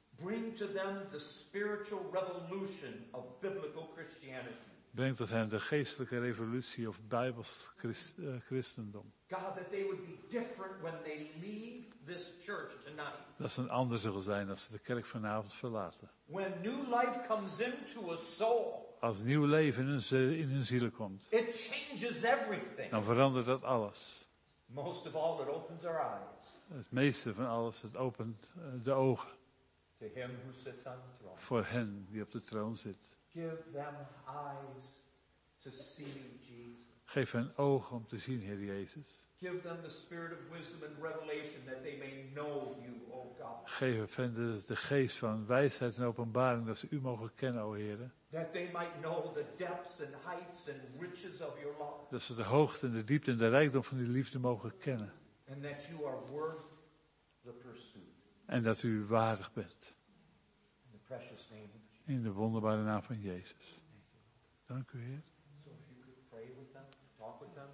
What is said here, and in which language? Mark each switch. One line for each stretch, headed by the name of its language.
English: Bring to them the spiritual revolution of biblical Christianity.
Dutch: Breng tot hen de geestelijke revolutie of Bijbels christendom.
English: God, that they would be different when they leave this church tonight.
Dutch: Dat ze een ander zullen zijn als ze de kerk vanavond verlaten.
English: When new life comes into a soul.
Dutch: Als nieuw leven in hun zielen komt.
English: It changes everything.
Dutch: Dan verandert dat alles.
English: Most of all, it opens our eyes.
Dutch: Het meeste van alles, het opent de ogen.
English: To him who sits on the throne.
Dutch: Voor hen die op de troon zit.
English: Give them eyes to see Jesus.
Dutch: Geef hen ogen om te zien, Heer Jezus.
English: Give them the spirit of wisdom and revelation that they may know you, O God.
Dutch: Geef hen de geest van wijsheid en openbaring dat ze u mogen kennen, O Heere.
English: That they might know the depths and heights and riches of your love.
Dutch: Dat ze de hoogte en de diepte en de rijkdom van uw liefde mogen kennen.
English: And that you are worth the pursuit.
Dutch: En dat u waardig bent.
English: In the precious name of Jesus.
Dutch: In de wonderbare naam van Jezus. Dank u, Heer.
English: So if you could pray with them, talk with them.